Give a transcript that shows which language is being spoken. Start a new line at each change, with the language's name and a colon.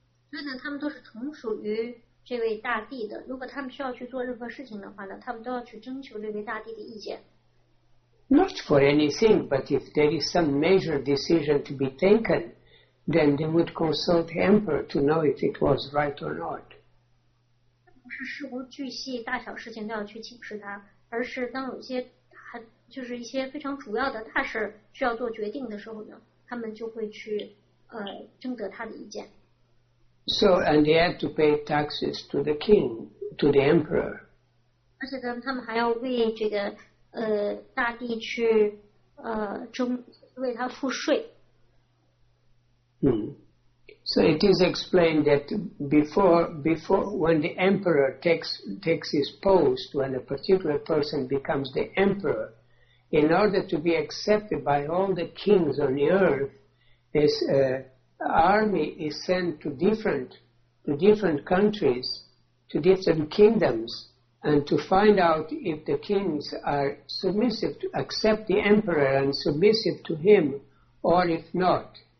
Chinese: 所以呢，他们都是从属于。这位大帝的，如果他们需要去做任何事情的话呢，他们都要去征求这位大帝的意见。
English: Not for anything, but if there is some major decision to be taken, then they would consult the emperor to know if it was right or not.
Chinese: 不是事无巨细，大小事情都要去请示他，而是当有些很就是一些非常主要的大事需要做决定的时候呢，他们就会去征得他的意见。
English: So, and they had to pay taxes to the king, to the emperor.
Chinese: 而且他们还要为这个大帝去征为他付税。
English: So it is explained that before when the emperor takes his post, when a particular person becomes the emperor, in order to be accepted by all the kings on the earth, is army is sent to different countries, to different kingdoms, and to find out if the kings are submissive to accept the emperor and submissive to him, or if not.